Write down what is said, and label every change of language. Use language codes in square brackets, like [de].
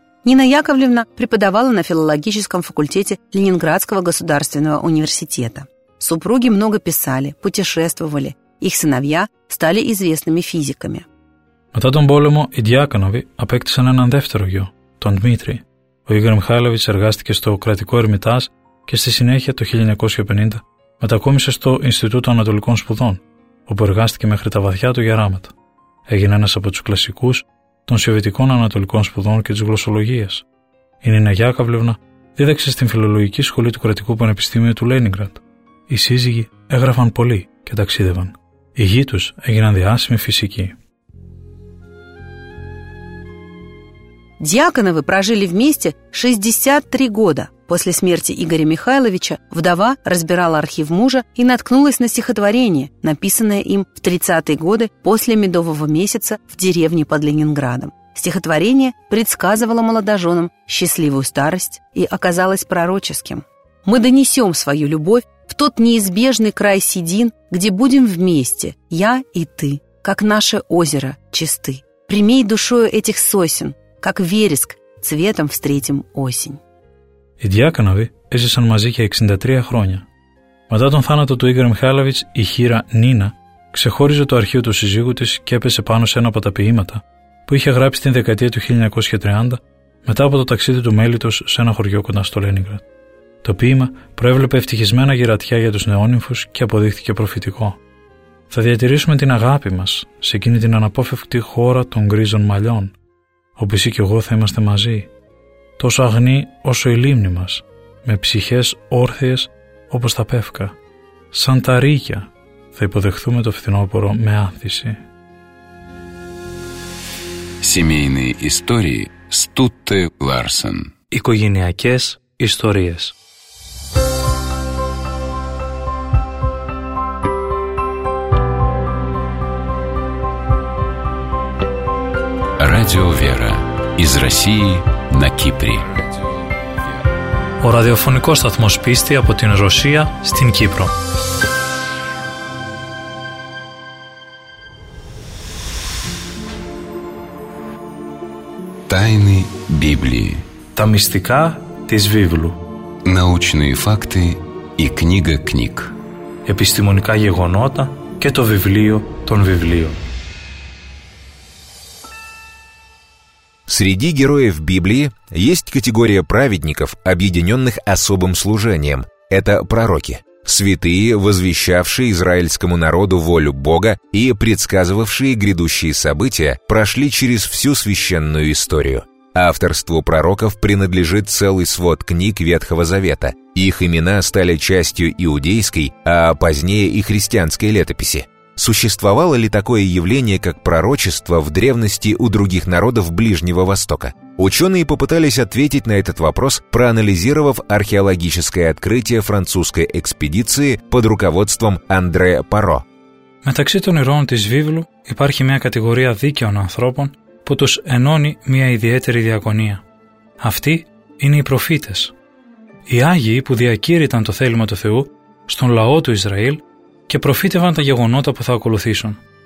[ru] Нина Яковлевна преподавала на филологическом факультете Ленинградского государственного университета. Супруги много писали, путешествовали. Их сыновья стали известными физиками. [el] Μετά τον πόλεμο, οι Дьяконовы απέκτησαν έναν δεύτερο γιο, τον Δημήτρη. Ο Ίγκαρ Μιχάλεβιτς εργάστηκε στο κρατικό Ερμιτάζ και στη συνέχεια το 1950 μετακόμισε στο Ινστιτούτο Ανατολικών Σπουδών, όπου εργάστηκε μέχρι τα βαθιά του γεράματα. Έγινε ένας από τους κλασικούς των Σοβιετικών Ανατολικών Σπουδών και της Γλωσσολογίας. Η Νίνα Γιάκαβλευνα δίδαξε στην Φιλολογική Σχολή του Κρατικού Πανεπιστημίου του Λένιγκραντ. Οι σύζυγοι έγραφαν πολύ και ταξίδευαν. Οι γη τους έγιναν διάσημοι φυσικοί. [ru] Дьяконовы прожили вместе 63 года. После смерти Игоря Михайловича вдова разбирала архив мужа и наткнулась на стихотворение, написанное им в 30-е годы после медового месяца в деревне под Ленинградом. Стихотворение предсказывало молодоженам счастливую старость и оказалось пророческим. «Мы донесем свою любовь в тот неизбежный край Сидин, где будем вместе, я и ты, как наше озеро чисты. Примей душою этих сосен, как вереск, цветом встретим осень». [el] Οι Дьяконовы έζησαν μαζί για 63 χρόνια. Μετά τον θάνατο του Ίγκαρ Μιχάλεβιτς, η χείρα Νίνα ξεχώριζε το αρχείο του σύζυγου της και έπεσε πάνω σε ένα από τα ποίηματα που είχε γράψει την δεκαετία του 1930 μετά από το ταξίδι του μέλητος σε ένα χωριό κοντά στο Λένιγκραντ. Το ποίημα προέβλεπε ευτυχισμένα γερατιά για τους νεόνυμφους και αποδείχθηκε προφητικό. «Θα διατηρήσουμε την αγάπη μας σε εκείνη την αναπόφευκτη χώρα των γκρίζων μαλλιών, όπου εσύ και εγώ θα είμαστε μαζί, τόσο αγνή όσο η λίμνη μας, με ψυχές όρθιες όπως τα πεύκα. Σαν τα ρίκια θα υποδεχθούμε το φθινόπωρο με άνθηση». [ru] Семейные истории Стутте Ларсен. [el] Οικογενειακές ιστορίες. [ru] Радио Вера. Из России на Кипре. [el] Ο ραδιοφωνικός σταθμός πίστη από την Ρωσία στην Κύπρο. [ru] Тайны Библии. [el] Τα μυστικά της Βίβλου. [ru] Научные факты и книга книг. [el] Επιστημονικά γεγονότα και το βιβλίο των βιβλίων. [ru] Среди героев Библии есть категория праведников, объединенных особым служением. Это пророки, святые, возвещавшие израильскому народу волю Бога и предсказывавшие грядущие события, прошли через всю священную историю. Авторству пророков принадлежит целый свод книг Ветхого Завета. Их имена стали частью иудейской, а позднее и христианской летописи. Существовало ли такое явление, как пророчество, в древности у других народов Ближнего Востока? Ученые попытались ответить на этот вопрос, проанализировав археологическое открытие французской экспедиции под руководством Андре Паро. [el] Μεταξύ των ηρώων της Βίβλου υπάρχει μια κατηγορία δίκαιων ανθρώπων που τους ενώνει μια ιδιαίτερη διακονία. Αυτοί είναι οι προφήτες. Οι Άγιοι που διακήρυταν το θέλημα του Θεού στον λαό του Ισραήλ και προφήτευαν τα γεγονότα που θα ακολουθήσουν.